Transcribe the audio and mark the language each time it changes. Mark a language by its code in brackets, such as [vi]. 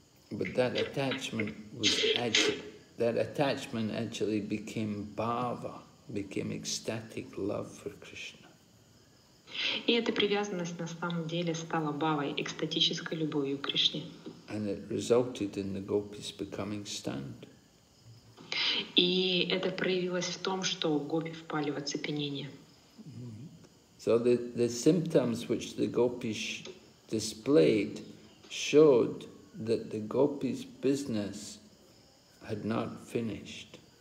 [en] But that attachment was actually became bhava, became ecstatic love for Krishna. [ru] И эта привязанность на самом деле стала бхавой, экстатической любовью к Кришне. [en] And it resulted in the gopis becoming stunned. [ru] И это проявилось в том, что гопи впали в оцепенение. [en] So the symptoms which the gopis displayed showed that the gopis' business had not finished.